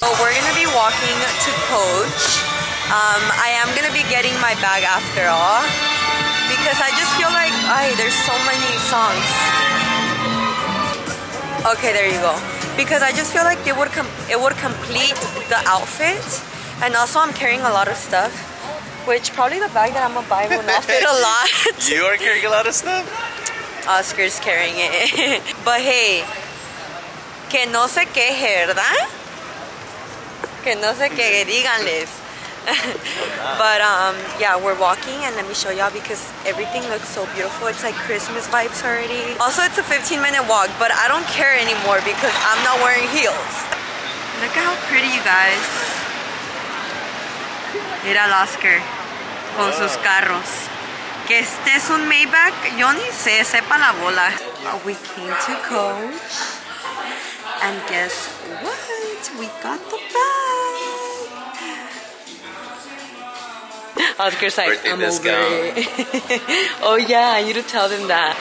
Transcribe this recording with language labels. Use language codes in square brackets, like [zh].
[en] So we're gonna be walking to Coach. I am gonna be getting my bag after all, because I just feel like, there's so many songs. Okay, there you go. Because I just feel like it would complete the outfit. And also I'm carrying a lot of stuff. Which probably the bag that I'm gonna buy will not fit a lot. You are carrying a lot of stuff? Oscar's carrying it. But hey, [es] que no se queje, ¿verdad? Que no se queje, díganles. [en] But yeah, we're walking, and let me show y'all because everything looks so beautiful. It's like Christmas vibes already. Also, it's a 15-minute walk, but I don't care anymore because I'm not wearing heels. Look at how pretty, you guys. [es] Mira el Oscar con sus carros. Que este es un Maybach, yo ni sé, sepa la bola. [en] We came to coach, and guess what? We got the bag. Oscar's like, I'm over it. Oh yeah, I need to tell them that.